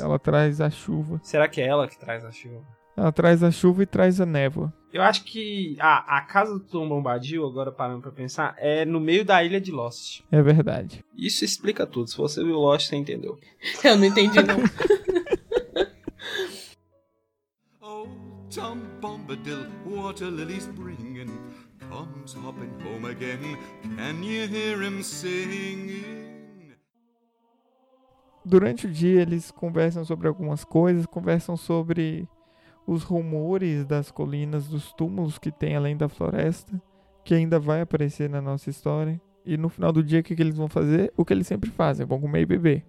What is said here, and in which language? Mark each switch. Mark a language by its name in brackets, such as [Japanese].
[Portuguese] Ela traz a chuva. Será que é ela que traz a chuva? Ela traz a chuva e traz a névoa. Eu acho que a casa do Tom Bombadil, agora parando pra pensar, é no meio da ilha de Lost. É verdade. Isso explica tudo. Se você viu Lost, você entendeu. Eu não entendi, não. [English] Oh, Tom Bombadil, what a lily's bringing. Comes hopping home again. Can you hear him singing? [Portuguese] Durante o dia, eles conversam sobre algumas coisas, conversam sobre os rumores das colinas, dos túmulos que tem além da floresta, que ainda vai aparecer na nossa história. E no final do dia, o que eles vão fazer? O que eles sempre fazem, vão comer e beber.